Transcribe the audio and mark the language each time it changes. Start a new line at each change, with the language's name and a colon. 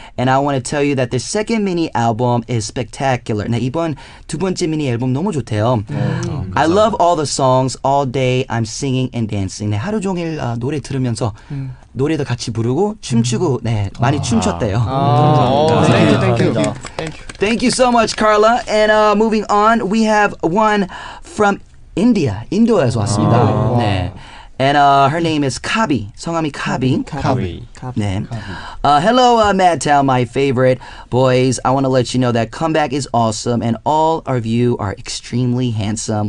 English: And I want to tell you that the second mini album is spectacular.
Korean: 네, 이번 두 번째 미니 앨범 너무 좋대요.
English: I love all the songs all day. I'm singing and dancing.
Korean: 네, 하루 종일 노래 들으면서 노래도 같이 부르고 춤추고 네, 많이 춤췄대요. 감사합니다.
English: Thank you so much, Carla. And moving on, we have one from India.
Korean: 인도에서 왔습니다. 아, 네.
English: And her name is Kabi.
Korean: 성함이 Kabi.
English: Kabi. Kabi. Hello, MADTOWN, my favorite boys. I want to let you know that Comeback is awesome and all of you are extremely handsome.